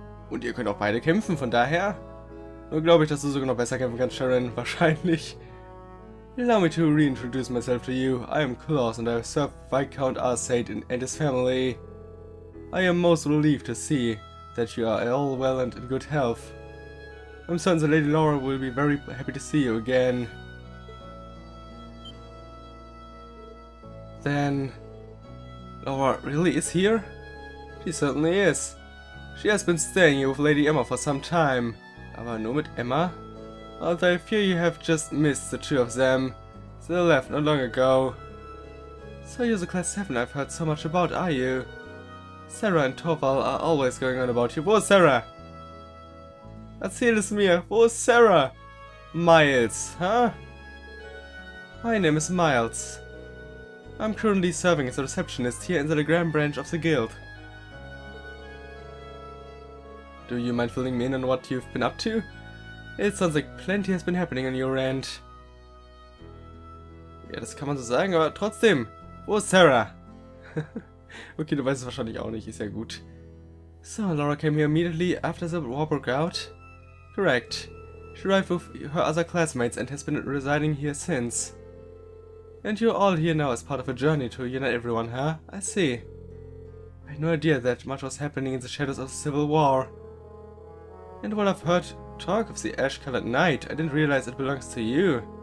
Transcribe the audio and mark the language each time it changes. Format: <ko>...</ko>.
<de>Und ihr könnt auch beide kämpfen, von daher? Nur glaube ich, dass du sogar noch besser kämpfen kannst, Sharon, wahrscheinlich.</de> <en>Allow me to reintroduce myself to you. I am Klaus and I serve Viscount Arsade and his family. I am most relieved to see that you are all well and in good health. I'm certain that Lady Laura will be very happy to see you again. Then... Laura really is here? She certainly is. She has been staying here with Lady Emma for some time.</en> <de>Aber nur mit Emma?</de> <en>Although I fear you have just missed the two of them. They left not long ago. So you're the Class 7 I've heard so much about, are you? Sarah and Torval are always going on about you.</en> <de>Wo ist Sarah? Erzähl es mir. Wo ist Sarah?</de> <en>Miles, huh? My name is Miles. I'm currently serving as a receptionist here in the Grand Branch of the Guild. Do you mind filling me in on what you've been up to? It sounds like plenty has been happening on your end.</en> <de>Ja, das kann man so sagen, aber trotzdem. Wo ist Sarah? Okay, du weißt es wahrscheinlich auch nicht, ist ja gut.</de> <en>So, Laura came here immediately after the war broke out? Correct. She arrived with her other classmates and has been residing here since. And you're all here now as part of a journey to unite everyone, huh? I see. I had no idea that much was happening in the shadows of the Civil War. And while I've heard talk of the Ash-Colored Knight, I didn't realize it belongs to you.</en>